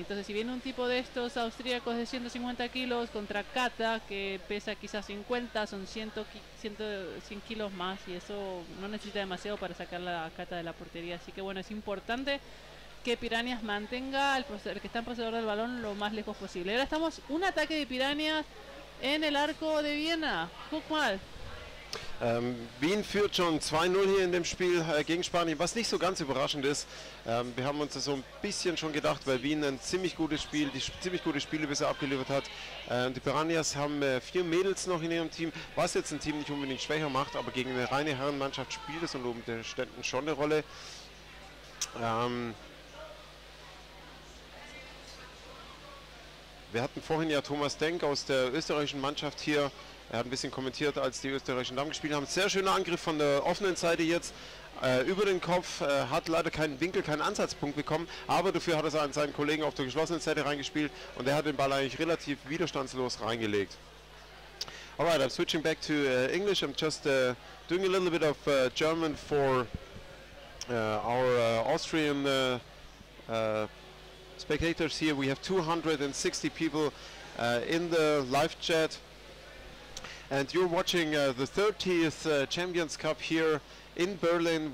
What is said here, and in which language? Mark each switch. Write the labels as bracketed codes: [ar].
[es] Entonces si viene un tipo de estos austríacos de 150 kilos contra Kata, que pesa quizás 50, son 100 kilos más, y eso no necesita demasiado para sacar la Kata de la portería. Así que bueno, es importante que Pirañas mantenga el que está en poseedor del balón lo más lejos posible. Ahora estamos un ataque de Pirañas en el arco de Viena. [de] Guck mal. Wien führt schon 2-0 hier in dem Spiel gegen Spanien, was nicht so ganz überraschend ist. Wir haben uns das so ein bisschen schon gedacht, weil Wien ein ziemlich gutes Spiel, bisher abgeliefert hat. Die Pirañas haben 4 Mädels noch in ihrem Team, was jetzt ein Team nicht unbedingt schwächer macht, aber gegen eine reine Herrenmannschaft spielt es unter Umständen schon eine Rolle. Wir hatten vorhin ja Thomas Denk aus der österreichischen Mannschaft hier. Er hat ein bisschen kommentiert, als die österreichischen Damen gespielt haben. Sehr schöner Angriff von der offenen Seite jetzt über den Kopf. Hat leider keinen Winkel, keinen Ansatzpunkt bekommen. Aber dafür hat er es an seinen Kollegen auf der geschlossenen Seite reingespielt. Und er hat den Ball eigentlich relativ widerstandslos reingelegt. [en] Alright, I'm switching back to English. I'm just doing a little bit of German for our Austrian spectators here. We have 260 people in the live chat. And you're watching the 30th Champions Cup here in Berlin.